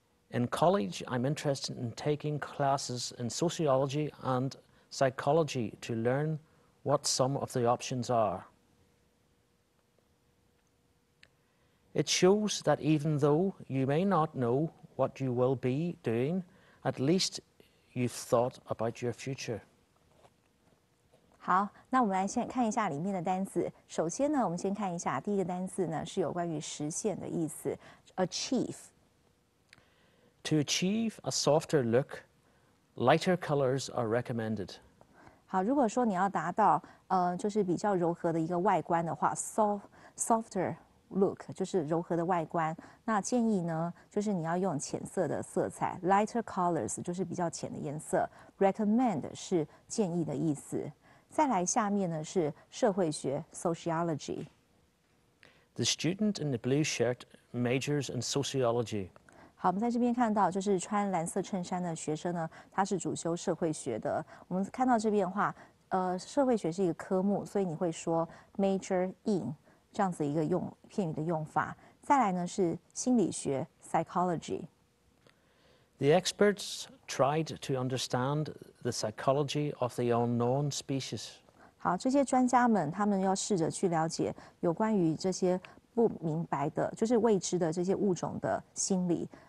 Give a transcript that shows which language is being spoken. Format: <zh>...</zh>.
<en>In college, I'm interested in taking classes in sociology and psychology to learn what some of the options are. It shows that even though you may not know what you will be doing, at leastYou've thought about your future.</en> <zh>好，那我们来先看一下里面的单词。首先呢，我们先看一下第一个单词呢，是有关于实现的意思 ，achieve.</zh> <en>To achieve a softer look, lighter colors are recommended.</en> <zh>好，如果说你要达到就是比较柔和的一个外观的话 ，softer look 就是柔和的外观。那建议呢，就是你要用浅色的色彩 ，lighter colors 就是比较浅的颜色。 Recommend 是建议的意思。再来下面呢是社会学 ，sociology。</zh> <en>The student in the blue shirt majors in sociology。</en> <zh>好，我们在这边看到，就是穿蓝色衬衫的学生呢，他是主修社会学的。我们看到这边的话，社会学是一个科目，所以你会说 major in。这样子一个用片语的用法。再来呢是心理学 psychology。</zh> <en>The experts tried to understand the psychology of the unknown species。</en> <zh>好，这些专家们他们要试着去了解有关于这些不明白的，就是未知的这些物种的心理。</zh>